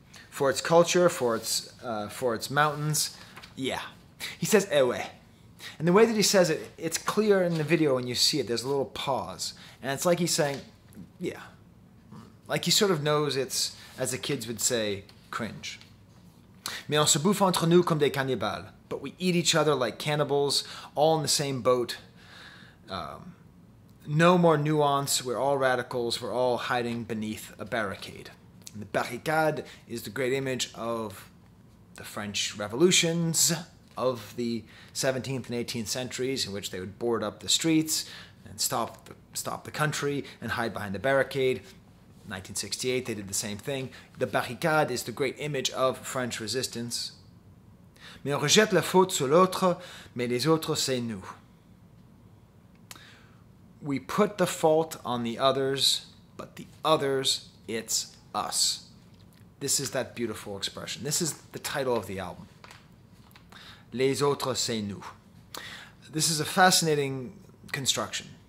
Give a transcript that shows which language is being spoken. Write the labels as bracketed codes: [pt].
[en] For its culture, for its mountains. Yeah. He says, eh ouais. And the way that he says it, it's clear in the video when you see it, there's a little pause. And it's like he's saying, yeah. Like he sort of knows it's, as the kids would say, cringe. [fr] Mais on se bouffe entre nous comme des cannibales. [en] But we eat each other like cannibals, all in the same boat. No more nuance, we're all radicals, we're all hiding beneath a barricade. And the barricade is the great image of the French revolutions of the 17th and 18th centuries, in which they would board up the streets and stop the country and hide behind the barricade. 1968, they did the same thing. The barricade is the great image of French resistance. [fr] Mais on rejette la faute sur l'autre, mais les autres, c'est nous. [en] We put the fault on the others, but the others, it's us. This is that beautiful expression. This is the title of the album. [fr] Les autres, c'est nous. [en] This is a fascinating construction.